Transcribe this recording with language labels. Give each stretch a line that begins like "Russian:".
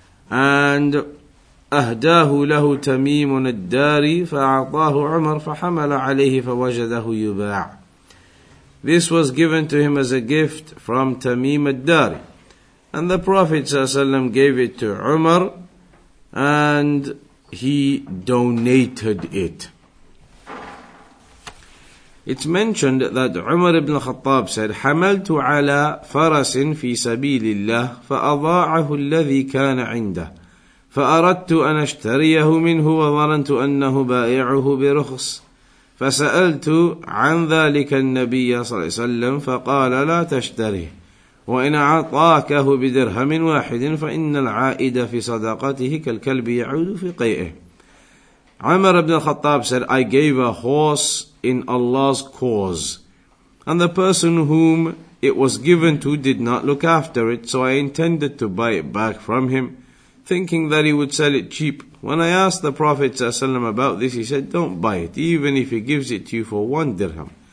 English: And
Arabic: أَهْدَاهُ لَهُ تَمِيمٌ الدَّارِ فَأَعْطَاهُ عُمَرُ فَحَمَلَ عَلَيْهِ فَوَجَدَهُ يُبَاعُ.
English: This was given to him as a gift from Tamim al-Dari. And the Prophet ﷺ gave it to Umar, and he donated it. It's mentioned that Umar ibn al-Khattab said,
Arabic: حَمَلْتُ عَلَى فَرَسٍ فِي سَبِيلِ اللَّهِ فَأَضَاعَهُ الَّذِي كَانَ عِنْدَهُ فأردت أن أشتريه منه وظننت أنه بائعه برخص فسألت عن ذلك النبي صلى الله عليه وسلم فقال لا تشتريه وإن أعطاكه بدرهم واحد فإن العائد في صدقته كالكلب يعود في قيئه.
English: عمر بن الخطاب said, I gave a horse in Allah's cause, and the person whom it was given to did not look after it, so I intended to buy it back from him, thinking that he would sell it cheap. When I asked the Prophet ﷺ about this, he said, don't buy it, even if he gives it to you for one dirham.